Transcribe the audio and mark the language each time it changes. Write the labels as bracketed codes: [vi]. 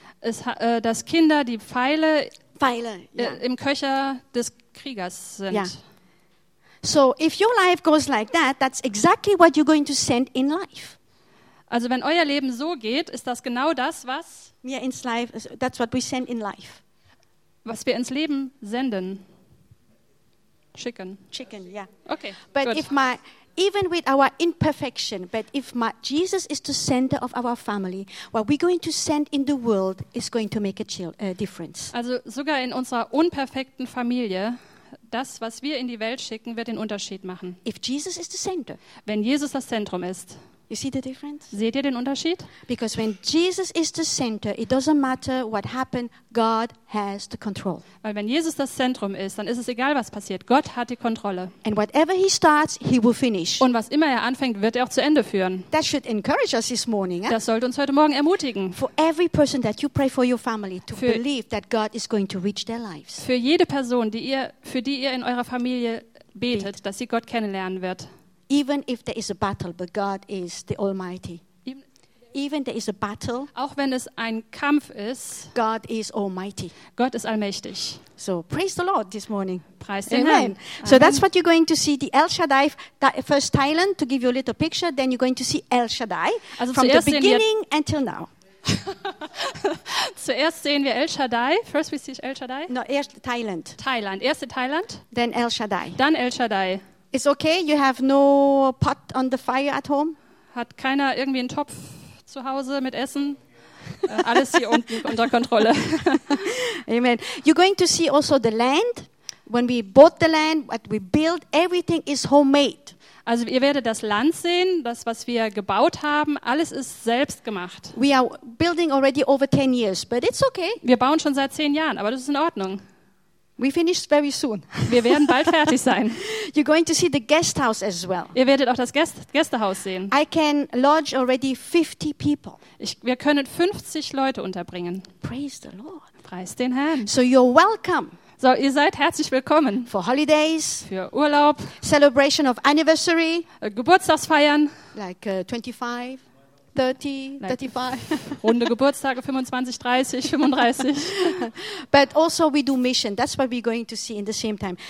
[de] Es, dass Kinder die Pfeile Pfeile, ja. Im Köcher des Kriegers sind. Ja. [en] So if your life goes like that, that's exactly what you're going to send in life. [de] Also wenn euer Leben so geht, ist das genau das, was wir ins Leben, [en] that's what we send in life. [de] Was wir ins Leben senden. [en] Chicken. Chicken, [de] ja. Okay. [en] But good. If my even with our imperfection, but if my Jesus is the center of our family, what we're going to send in the world is going to make a difference. [de] Also sogar in unserer unperfekten Familie, das, was wir in die Welt schicken, wird den Unterschied machen. [en] If Jesus is the center. [de] Wenn Jesus das Zentrum ist. [en] You see the difference? [de] Seht ihr den Unterschied? [en] Because when Jesus is the center, it doesn't matter what happened, God has the control. [de] Weil wenn Jesus das Zentrum ist, dann ist es egal, was passiert. Gott hat die Kontrolle. [en] And whatever he starts, he will finish. [de] Und was immer er anfängt, wird er auch zu Ende führen. [en] That should encourage us this morning. [de] Das sollte uns heute Morgen ermutigen. [en] For every person that you pray for your family to believe that God is going to reach their lives. [de] Für jede Person, die ihr, für die ihr in eurer Familie betet, dass sie Gott kennenlernen wird. [en] Even if there is a battle, but God is the Almighty. Even there is a battle, [de] auch wenn es ein Kampf ist, [en] God is Almighty. [de] Gott ist allmächtig. [en] So praise the Lord this morning. [de] Preist den Herrn. [en] So that's what you're going to see, the El Shaddai, first Thailand, to give you a little picture, then you're going to see El Shaddai, [de] also [en] from the beginning until now. [de] Zuerst sehen wir El Shaddai. [en] First we see El Shaddai. [de] No, erst Thailand. Thailand, erste Thailand. [en] Then El Shaddai. [de] Dann El Shaddai. [en] It's okay, you have no pot on the fire at home? [de] Hat keiner irgendwie einen Topf zu Hause mit Essen? Alles hier unten unter Kontrolle. Amen. [en] You're going to see also the land. When we bought the land, what we built, everything is homemade. [de] Also ihr werdet das Land sehen, das, was wir gebaut haben, alles ist selbst gemacht. [en] We are building already over 10 years, but it's okay. [de] Wir bauen schon seit 10 Jahren, aber das ist in Ordnung. [en] We finish very soon. [de] Wir werden bald fertig sein. [en] You're going to see the guest house as well. [de] Ihr werdet auch das Gästehaus sehen. [en] I can lodge already 50 people. [de] Wir können 50 Leute unterbringen. [en] Praise the Lord. [de] Preist den Herrn. [en] So you're welcome. [de] So ihr seid herzlich willkommen. [en] For holidays. [de] Für Urlaub. [en] Celebration of anniversary. [de] Geburtstagsfeiern. [en] Like 25. 30, 35. [de] Runde Geburtstage, 25, 30, 35. [en] But also we do mission. That's what we're going to see in the same time.